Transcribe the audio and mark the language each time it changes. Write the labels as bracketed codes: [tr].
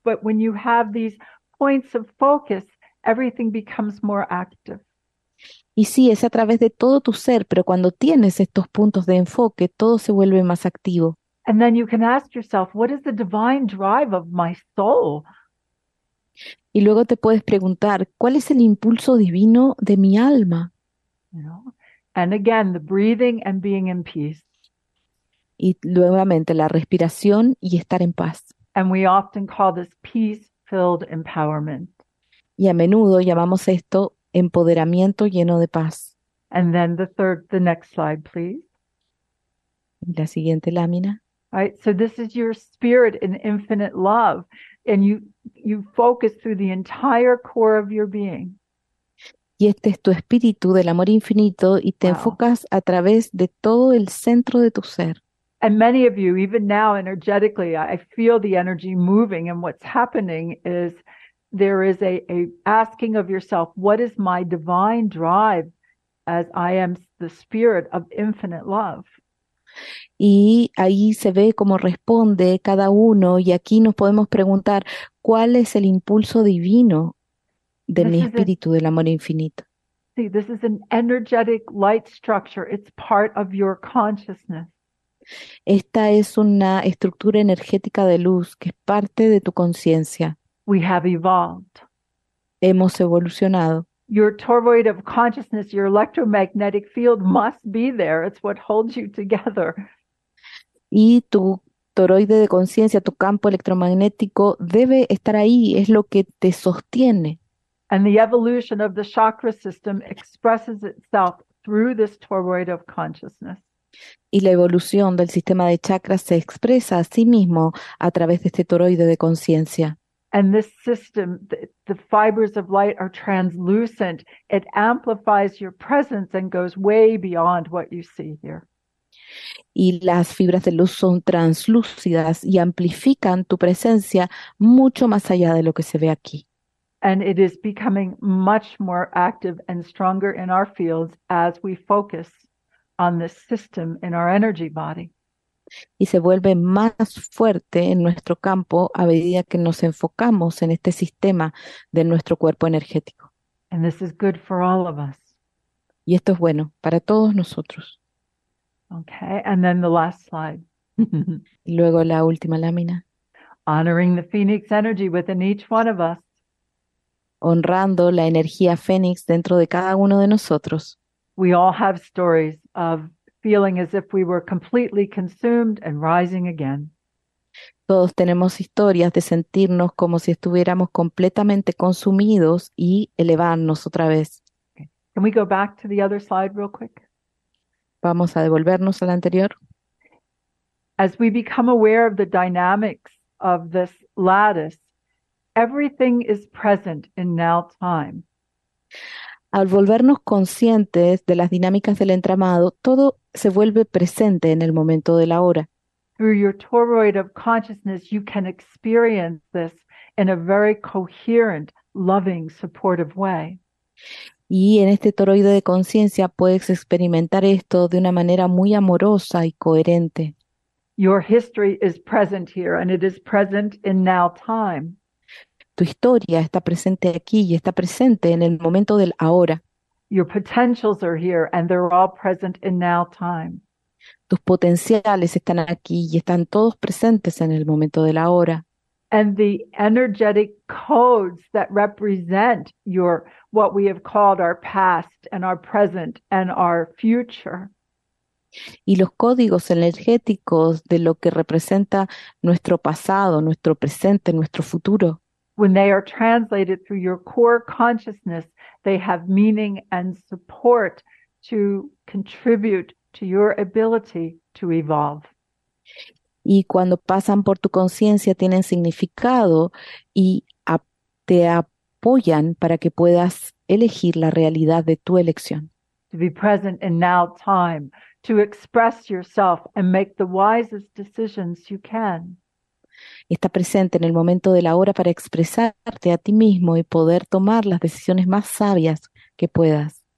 [en] But when you have these points of focus, everything becomes more active. [es] Y sí, es a través de todo tu ser. Pero cuando tienes estos puntos de enfoque, todo se vuelve más activo. [en] And then you can ask yourself, what is the divine drive of my soul? [es] Y luego te puedes preguntar, ¿cuál es el impulso divino de mi alma? No. [en] And again, the breathing and being in peace. [es] Y nuevamente, la respiración y estar en paz. [en] And we often call this peace-filled empowerment. [es] Y a menudo llamamos esto empoderamiento lleno de paz. [en] And then the next slide, please. [es] La siguiente lámina. [en] All right, so this is your spirit in infinite love. And you focus through the entire core of your being. [es] Y este es tu espíritu del amor infinito y te enfocas a través de todo el centro de tu ser. [en] And many of you, even now energetically, I feel the energy moving. And what's happening is there is a asking of yourself, what is my divine drive as I am the spirit of infinite love? [es] Y ahí se ve cómo responde cada uno y aquí nos podemos preguntar cuál es el impulso divino de mi espíritu del amor infinito. [en] See, this is an energetic light structure. It's part of your consciousness. [es] Esta es una estructura energética de luz que es parte de tu conciencia. [en] We have evolved. [es] Hemos evolucionado. [en] Your toroid of consciousness, your electromagnetic field must be there. It's what holds you together. [es] Y tu toroide de conciencia, tu campo electromagnético, debe estar ahí. Es lo que te sostiene. [en] And the evolution of the chakra system expresses itself through this toroid of consciousness. [es] Y la evolución del sistema de chakras se expresa a sí mismo a través de este toroide de conciencia. [en] And this system, the fibers of light are translucent. It amplifies your presence and goes way beyond what you see here. [es] Y las fibras de luz son translúcidas y amplifican tu presencia mucho más allá de lo que se ve aquí. [en] And it is becoming much more active and stronger in our fields as we focus on this system in our energy body. [es] Y se vuelve más fuerte en nuestro campo a medida que nos enfocamos en este sistema de nuestro cuerpo energético. [en] And this is good for all of us. [es] Y esto es bueno para todos nosotros. [en] Okay, and then the last slide. [es] Y luego la última lámina. [en] Honoring the Phoenix energy within each one of us. [es] Honrando la energía Fénix dentro de cada uno de nosotros. [en] We all have stories of feeling as if we were completely consumed and rising again. [es] Todos tenemos historias de sentirnos como si estuviéramos completamente consumidos y elevarnos otra vez. [en] Okay. Can we go back to the other slide real quick? [es] Vamos a devolvernos a la anterior. [en] As we become aware of the dynamics of this lattice, everything is present in now time. [es] Al volvernos conscientes de las dinámicas del entramado, todo se vuelve presente en el momento de la hora. [en] Through your toroid of consciousness, you can experience this in a very coherent, loving, supportive way. [es] Y en este toroide de conciencia puedes experimentar esto de una manera muy amorosa y coherente. [en] Your history is present here, and it is present in now time. [es] Tu historia está presente aquí y está presente en el momento del ahora. [en] Your potentials are here and they're all present in now time. [es] Tus potenciales están aquí y están todos presentes en el momento del ahora. [en] And the energetic codes that represent your what we have called our past and our present and our future. [es] Y los códigos energéticos de lo que representa nuestro pasado, nuestro presente, nuestro futuro. [en] When they are translated through your core consciousness, they have meaning and support to contribute to your ability to evolve. [es] Y cuando pasan por tu conciencia, tienen significado y te apoyan para que puedas elegir la realidad de tu elección. [en] To be present in now time, to express yourself and make the wisest decisions you can. [es] Está presente en el momento de la hora para expresarte a ti mismo y poder tomar las decisiones más sabias que puedas.